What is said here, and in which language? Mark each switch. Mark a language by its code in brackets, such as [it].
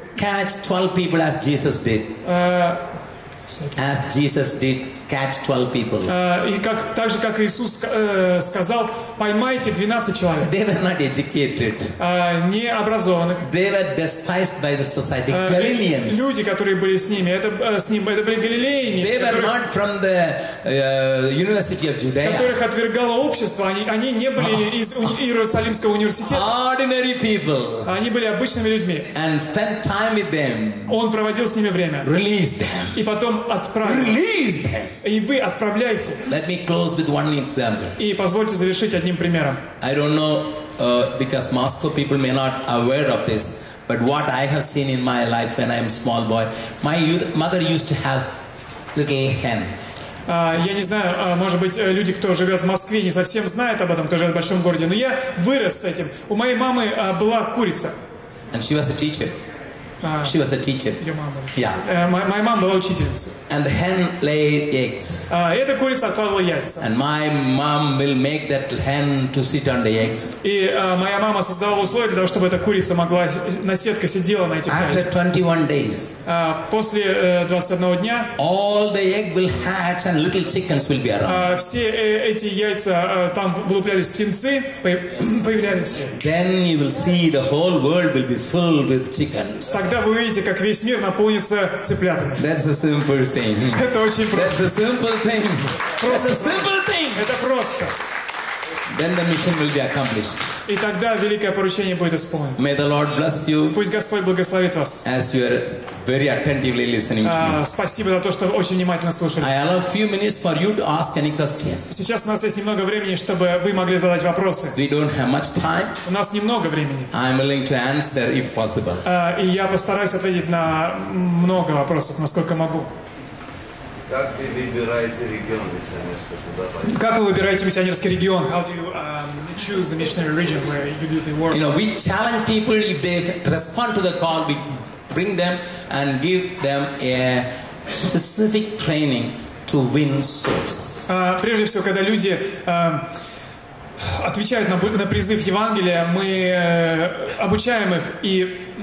[en] Catch 12 people as Jesus did. As Jesus did, catch 12 people. [ru] Так же, как Иисус сказал, поймайте 12 человек. [en] They were not educated. [ru] Не образованных. [en] They were despised by the society. Galileans. [ru] Люди, которые были с ним, это были галилеяне. [en] They were not from the University of Judea. [ru] Которых отвергало общество. Они не были из Иерусалимского университета. [en] Ordinary people. [ru] Они были обычными людьми. [en] And spent time with them. [ru] Он проводил с ними время. [en] Released them. [ru] И потом отправил. [en] Released them. [ru] И вы отправляете. [en] Let me close with one example. [ru] И позвольте завершить одним примером. [en] I don't know, because Moscow people may not aware of this, but what I have seen in my life when I am small boy, my mother used to have little hen. [ru] Я не знаю, может быть, люди, кто живет в Москве, не совсем знают об этом, кто живет в большом городе, но я вырос с этим. У моей мамы была курица. [en] And she was a teacher. She was a teacher. Yeah. My mom [ru] была учительницей. [en] And the hen laid eggs. [ru] Эта курица откладывала яйца. [en] And my mom will make that hen to sit on the eggs. [ru] И моя мама создавала условия для того, чтобы эта курица могла на сетке сидела на этих яйцах. [en] After 21 days. [ru] После 21 дня. [en] All the egg will hatch and little chickens will be around. [ru] Все эти яйца там вылуплялись птенцы появлялись. [en] Then you will see the whole world will be filled with chickens. [ru] Тогда вы увидите, как весь мир наполнится цыплятами. [en] That's a simple thing. [ru] Это очень просто. [en] That's a simple thing. [ru] Просто. [en] That's a simple thing. [ru] Это просто. [en] Then the mission will be accomplished. [ru] И тогда великое поручение будет исполнено. [en] May the Lord bless you. [ru] Пусть Господь благословит вас. [en] As you are very attentively listening to me. [ru] Спасибо за то, что очень внимательно слушали. [en] I allow few minutes for you to ask any question. [ru] Сейчас у нас есть немного времени, чтобы вы могли задать вопросы. [en] We don't have much time. [ru] У нас немного времени. [en] I am willing to answer if possible. [ru] И я постараюсь ответить на много вопросов, насколько могу. Как вы выбираете регион миссионерства, куда пойти? Как вы выбираете миссионерский регион? [en] How do you choose the missionary region where you do the work? You know, we challenge people if they respond to the call, we bring them and give them a specific training to win souls. [ru] Прежде всего, когда люди отвечают на призыв Евангелия, мы обучаем их и